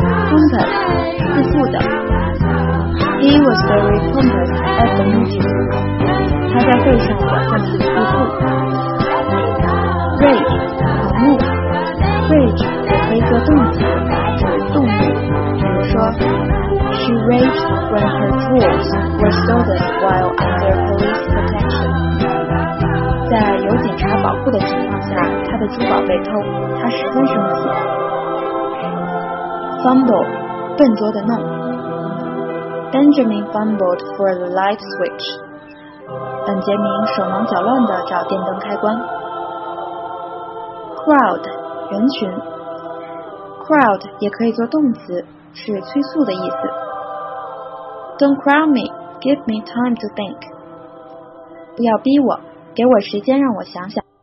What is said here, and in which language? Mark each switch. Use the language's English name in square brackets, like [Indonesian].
[English] Pompous 自负的 He was very pompous at the meeting. [Chinese] 他在会上表现得很自负。Rage 恼怒 ，Rage 也可以做动词，指动怒。比如说 [English] ，She raged when her tools were stolen while under police protection。 [Chinese] 在有警察保护的情况下，他的珠宝被偷，他十分生气。 Fumble 笨拙的弄。 [English] Benjamin fumbled for the light switch。 [Chinese] 本杰明手忙脚乱地找电灯开关。 Crowd 人群 ，crowd 也可以做动词，是催促的意思。 [English] Don't crowd me, give me time to think。 [Chinese] 不要逼我，给我时间让我想想。